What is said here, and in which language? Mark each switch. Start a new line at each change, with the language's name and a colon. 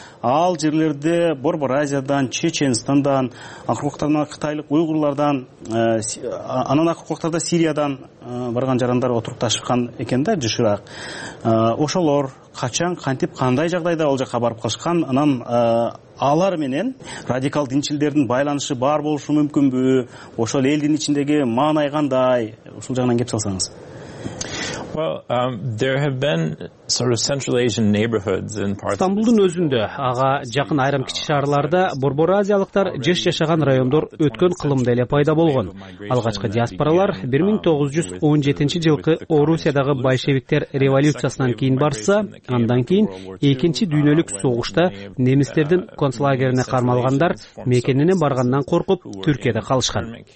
Kyrgyz: Ал жерлерде Борбор Азиядан, Чеченстандан, акыркыктарда кытайлык уйгурлардан, анан акыркыктарда Сириядан барган жарандар отурупташкан экен да жышыраак. Ошолор качан, кантип, кандай жагдайда ал жака барып калышкан, анан алар менен радикал динчилдердин байланышы бар болушу мүмкүнбү? Ошол элдин ичиндеги маанай кандай? Ушул жагынан кеп салсаңыз.
English: Well, there have been sort of Central Asian neighborhoods in parts.
Kyrgyz: Стамбулдун өзүндө ага жакын айрым кичи шаарларда борбор азиялыктар жеш жашаган райондор өткөн кылымда эле пайда болгон. Алгачкы диаспоралар 1917 жылкы Орусиядагы большевиктер революциясынан кийин барса, андан кийин экинчи дүйнөлүк согушта немистердин концлагерине кармалгандар мекенине баргандан коркуп Түркияда калышкан.